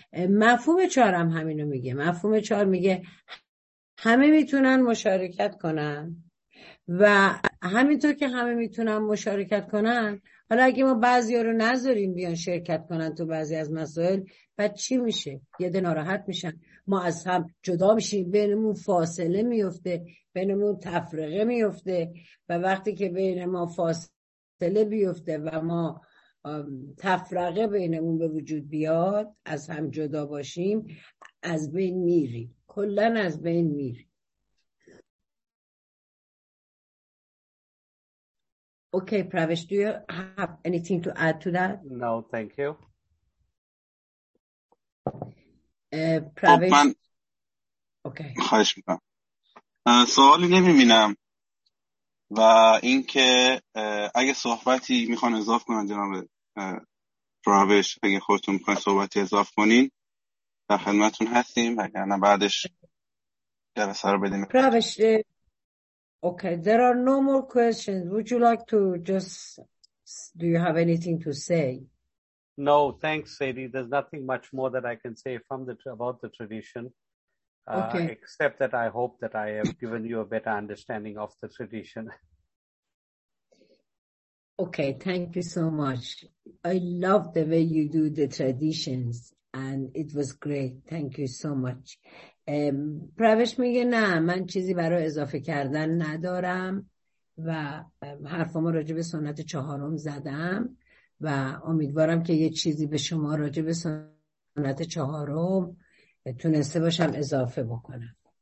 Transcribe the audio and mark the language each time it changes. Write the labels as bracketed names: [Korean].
[Persian] مفهوم چهار هم همینو میگه. مفهوم چهار میگه همه میتونن مشارکت کنن و همینطور که همه میتونن مشارکت کنن، حالا اگه ما بعضی ها رو نذاریم بیان شرکت کنن تو بعضی از مسائل، بعد چی میشه؟ یه ده ناراحت میشن، ما از هم جدا میشیم، بینمون فاصله میفته، بینمون تفرقه میفته و وقتی که بین ما فاصله بیفته و ما تفرقه بینمون به وجود بیاد، از هم جدا باشیم، از بین میریم، کلن از بین میریم. [English] Okay, Pravesh, do you have anything to add to that? No, thank you. Pravesh, [Persian] من... [English] okay. [Persian] خواهش میکنم. سوال نمیبینم و اینکه اگه صحبتی میخوان اضافه کنن جناب پراوش، اگه خودتون میخواین صحبتی اضافه کنین در خدمتون هستیم، وگرنه بعدش جلسه رو بدیم. [English] پراوش، okay, there are no more questions. Would you like to just, do you have anything to say? No, thanks Sadie. There's nothing much more that I can say from the about the tradition. Okay. Except that I hope that I have given you a better understanding of the tradition. Okay, thank you so much. I love the way you do the traditions and it was great. Thank you so much. [Persian] Pravesh میگه نه، من چیزی برای اضافه کردن ندارم و حرفامو راجع به سنت چهارم زدم و امیدوارم که یه چیزی به شما راجع به سنت چهارم تونسته باشم اضافه بکنم.